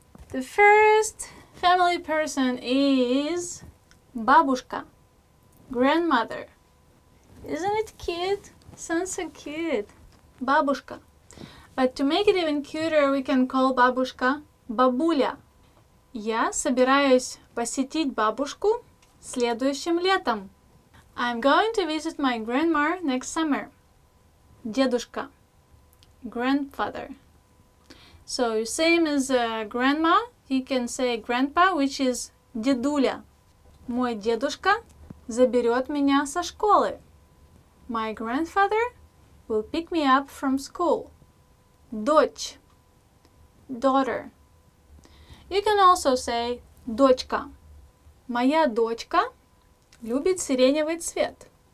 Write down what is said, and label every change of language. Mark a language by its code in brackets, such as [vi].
[en] The first family person is [ru] бабушка. [en] Grandmother. Isn't it cute? Sounds so cute. [ru] Бабушка. [en] But to make it even cuter, we can call бабушка [ru] бабуля. Я собираюсь посетить бабушку следующим летом. [en] I'm going to visit my grandma next summer. [ru] Дедушка. [en] Grandfather. So, same as grandma, you can say grandpa, which is [ru] дедуля. Мой дедушка заберет меня со школы. [en] My grandfather will pick me up from school. [ru] Дочь. [en] Daughter. You can also say [ru] дочка. Моя дочка любит сиреневый цвет.